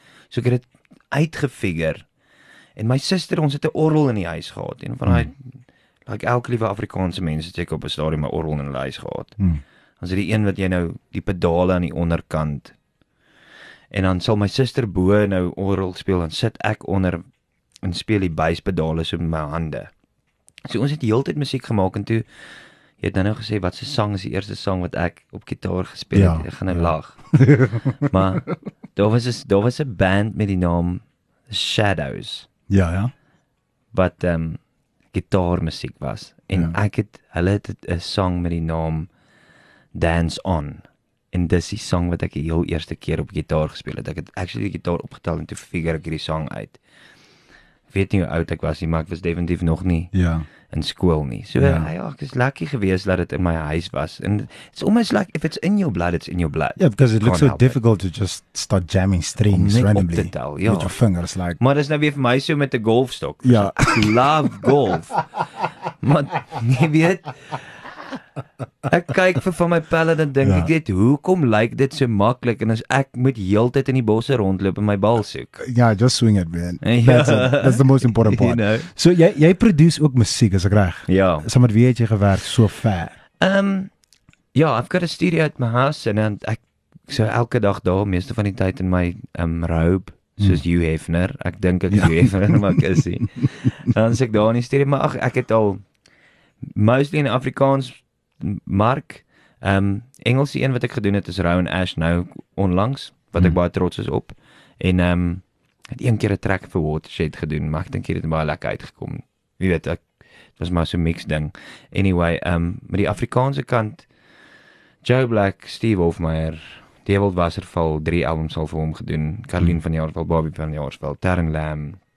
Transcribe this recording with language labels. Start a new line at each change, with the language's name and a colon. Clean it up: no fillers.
Afrikaans: So ek het dit uitgefigure. En my suster, ons het 'n orgel in die huis gehad en van daai like elke liewe Afrikaanse mens het ek op 'n stadium 'n orgel in die huis gehad. Ons het die een wat jy nou die pedale aan die onderkant. En dan sal my suster bo nou orgel speel en sit ek onder en speel die basspedale so met my hande. So ons het heeltyd musiek gemaak en toe jy het nou gesê wat se sang is die eerste sang wat ek op gitaar gespeel het. Ek gaan nou lag. Maar daar was 'n band met die naam Shadows. Ja, ja. Wat gitaarmusiek was en ja. Ek het hulle het 'n sang met die naam Dance On. En dis die sang wat ek die heel eerste keer op gitaar gespeel het. Ek het actually die gitaar opgetel en toe figure ek hierdie sang uit. Ek weet nie hoe oud ek was nie, maar ek was definitief nog nie ja. in skool nie. So ja, ja ek is lucky geweest dat dit in my huis was.
English: En it's almost like if it's in your blood, it's in your blood. Yeah, because it looks so difficult to just start jamming strings randomly.
Afrikaans: Om net op te tel, ja.
English: With your fingers, like...
Afrikaans: Maar dis nou weer vir my so met die golfstok. Ja.
English: I love golf.
Afrikaans: Maar nie weet... Ek kyk vir van my pelle en dink ja. ek dit, hoekom lyk dit so maklik en as ek moet heeltyd in die bosse rondloop en my bal soek.
English: Ja, just swing it, man. That's the most important part. You know.
Afrikaans: So jy produce ook musiek, as ek reg? Ja. So met wie het jy gewerk so ver?
English: I've got a studio at my house
Afrikaans: en ek so elke dag daar, meeste van die tyd in my robe, soos Hugh Hefner. Ek dink ek is Hugh Hefner, maar ek is nie. Dan is ek daar in die studio, maar ag, ek het al mostly in Afrikaans Mark, Engels die een wat ek gedoen het is Rowan Ash nou onlangs, wat ek baie trots is op en het een keer een track vir Watershed gedoen, maar ek denk hier het baie lekker uitgekom, wie weet ek, het was maar so'n mix ding, anyway met die Afrikaanse kant Joe Black, Steve Hofmeyer Dewald Wasserval, drie albums al vir hom gedoen, Caroline van Jaarsveld Bobby van Jaarsveld, Taryn Lamb